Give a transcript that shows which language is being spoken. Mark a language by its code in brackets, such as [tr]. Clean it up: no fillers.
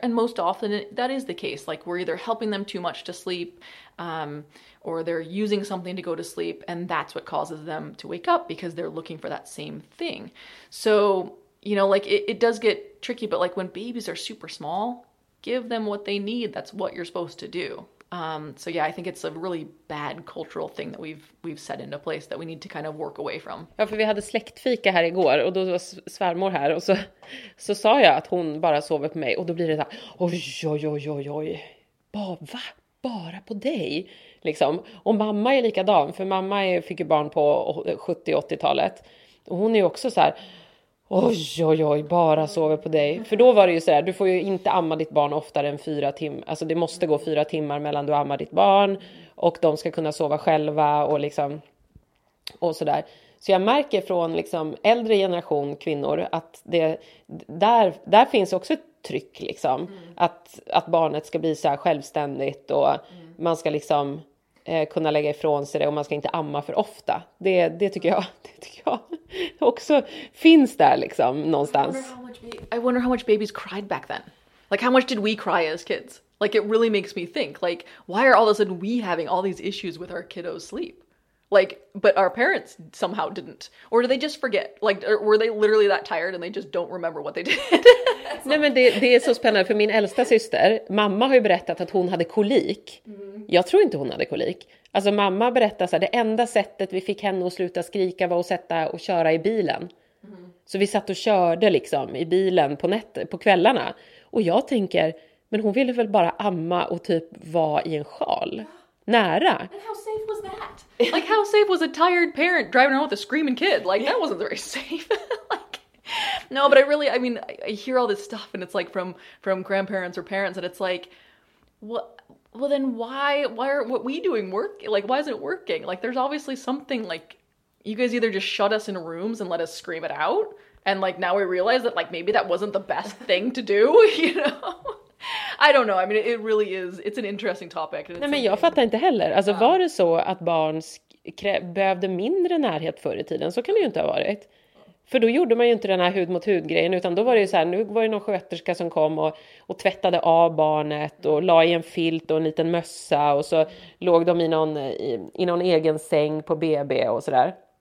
[en] And most often that is the case. Like we're either helping them too much to sleep or they're using something to go to sleep, and that's what causes them to wake up because they're looking for that same thing. So, you know, like it does get tricky, but like when babies are super small, give them what they need. That's what you're supposed to do. So yeah, I think it's a really bad cultural thing that we've set into place that we need to kind of work away from. [sv] Ja, för vi hade släktfika här igår och då var svärmor här och så sa jag att hon bara sover på mig och då blir det så här, oj. Bara på dig liksom. Och mamma är likadan, för mamma fick ju barn på 70-80-talet. Och hon är ju också så här, oj, bara sover på dig. För då var det ju så här, du får ju inte amma ditt barn oftare än 4 timmar. Alltså det måste gå 4 timmar mellan du ammar ditt barn. Och de ska kunna sova själva och liksom, och så där. Så jag märker från liksom äldre generation kvinnor att det, där finns också ett tryck liksom. Mm. Att barnet ska bli så här självständigt och man ska liksom kunna lägga ifrån sig det och man ska inte amma för ofta. Det tycker jag också finns där liksom någonstans. [en] I wonder how much babies cried back then. Like how much did we cry as kids? Like it really makes me think, like why are all of a sudden we having all these issues with our kiddos' sleep? Like, but our parents somehow didn't. Or do they just forget? Like, were they literally that tired and they just don't remember what they did? [sv] Nej, men det är så spännande. För min äldsta syster, mamma har ju berättat att hon hade kolik. Jag tror inte hon hade kolik. Alltså mamma berättade så här, det enda sättet vi fick henne att sluta skrika var att sätta och köra i bilen. Så vi satt och körde liksom i bilen på kvällarna. Och jag tänker, men hon ville väl bara amma och typ vara i en sjal. Nära. [en] And how safe was that? Like how safe was a tired parent driving around with a screaming kid? Like that wasn't very safe. Like, no, but I hear all this stuff and it's like from grandparents or parents and it's like, why aren't what we doing work? Like why isn't it working? Like there's obviously something, like you guys either just shut us in rooms and let us scream it out and like now we realize that like maybe that wasn't the best thing to do, you know? I don't know. I mean, it really is. It's an interesting topic. [sv] Nej, men jag fattar inte heller. Alltså, var det så att barn behövde mindre närhet förr i tiden? Så kan det ju inte ha varit. För då gjorde man ju inte den här hud-mot-hud-grejen. Utan då var det ju så här, nu var det någon sköterska som kom och tvättade av barnet. Och la i en filt och en liten mössa. Och så låg de i någon egen säng på BB och så där.